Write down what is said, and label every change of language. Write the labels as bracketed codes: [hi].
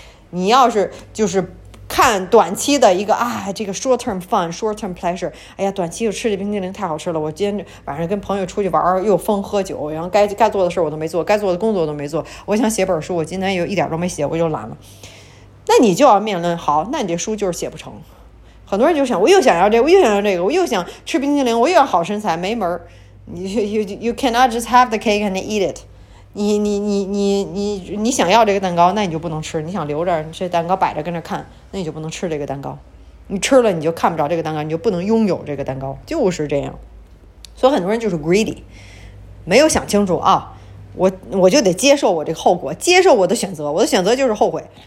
[zh] 你要是就是看短期的一个啊，这个 [en] short term fun short term pleasure， [zh] 哎呀，短期又吃这冰激凌太好吃了，我今天晚上跟朋友出去玩又疯喝酒，然后该做的事我都没做，该做的工作我都没做，我想写本书，我今天又一点都没写，我就懒了，那你就要面临，好，那你这书就是写不成。很多人就想，我又想要这个，我又想要这个，我又想吃冰淇淋，我又要好身材，没门儿。 [en] You cannot just have the cake and eat it。 [zh] 你想要这个蛋糕，那你就不能吃；你想留着这蛋糕摆着跟着看，那你就不能吃这个蛋糕。你吃了你就看不着这个蛋糕，你就不能拥有这个蛋糕，就是这样。所以很多人就是 greedy， 没有想清楚啊，我就得接受我这个后果，接受我的选择，我的选择就是后悔。